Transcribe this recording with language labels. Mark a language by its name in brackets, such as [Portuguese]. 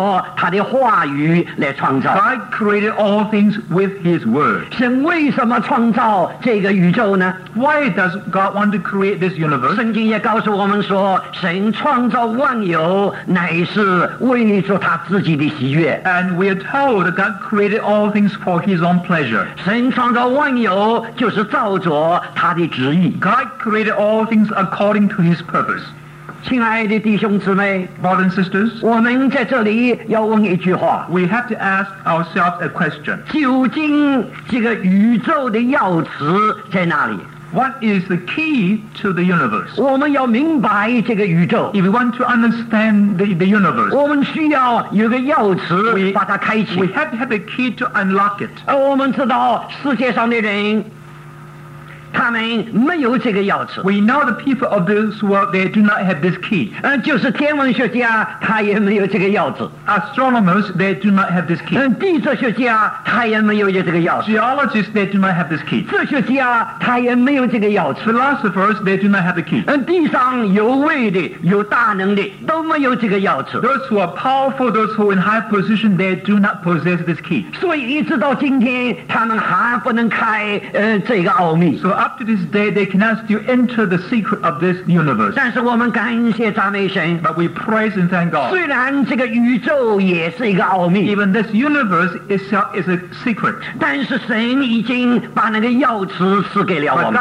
[Chinese] 神创造万有都是凭着他的话语来创造, [English] God created all things with his word. [Chinese] 神为什么创造这个宇宙呢? [English] Why does God want to create this universe? [Chinese] 圣经也告诉我们说, 神创造万有乃是为着他自己的喜悦, [English] and we are told that God created all things for his own pleasure. [Chinese] 创造万有就是照着他的旨意, [English] God created all things according to his purpose. [Chinese] 亲爱的弟兄姊妹, [English] brothers and sisters, [Chinese] 我们在这里要问一句话, [English] we have to ask ourselves a question, [Chinese] 究竟这个宇宙的要旨在哪里? [English] What is the key to the universe? [Chinese] 我们要明白这个宇宙, [English] if we want to understand the universe, [Chinese] 我们需要有个钥匙把它开启, [English] we have to have a key to unlock it. [Chinese] 而我们知道世界上的人, [English] We know the people of this world, they do not have this key. [Chinese] 就是天文学家他也没有这个钥匙。 [English] Astronomers, they do not have this key. [Chinese] 地质学家他也没有这个钥匙。 [English] Geologists, they do not have this key. [Chinese] 哲学家他也没有这个钥匙。 [English] Philosophers, they do not have the key. [Chinese] 地上有位的有大能的都没有这个钥匙。 [English] Those who are powerful, those who are in high position, they do not possess this key. [Chinese] 所以一直到今天他们还不能开这个奥秘。 [English] So up to this day, they cannot still enter the secret of this universe. [Chinese] 但是我们感谢赞美神, [English] but we praise and thank God. [Chinese] 虽然这个宇宙也是一个奥秘, [English] even this universe itself is a secret. [Chinese] 但是神已经把那个钥匙赐给了我们,